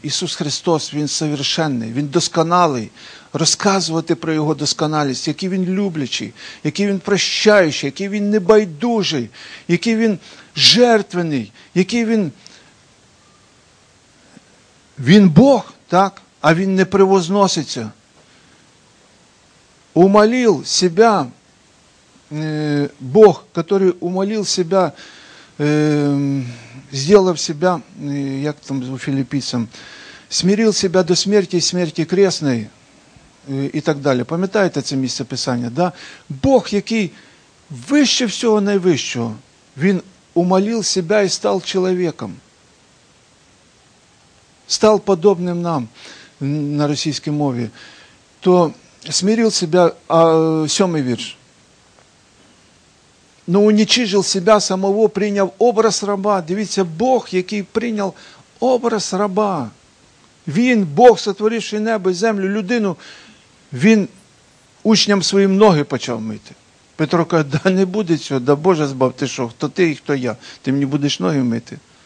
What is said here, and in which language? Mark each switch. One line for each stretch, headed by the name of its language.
Ukrainian: Ісус Христос, Він совершенний, Він досконалий. Розказувати про Його досконалість, який Він люблячий, який Він прощаючий, який Він небайдужий, який Він жертвенний, який Він Бог, так? А Він не превозноситься.
Russian: Умолил себя Бог, который умолил себя, сделав себя,
Ukrainian: як там у філіппійцям,
Russian: смирил себя до смерти и смерти крестной и так далее.
Ukrainian: Пам'ятаєте це місце Писання, да? Бог, який вище всього найвищого, Він
Russian: умолил себя и стал человеком. Стал подобным нам
Ukrainian: на російській мові.
Russian: То смирил себя,
Ukrainian: а сьомий вірш.
Russian: Но уничижил себя самого,
Ukrainian: прийняв образ раба. Дивіться, Бог, який прийняв образ раба. Він, Бог, сотворивший небо і землю, людину, Він учням своїм ноги почав мити. Петро каже, да не буде цього, да Боже збав, ти що, хто ти і хто я, ти мені будеш ноги мити.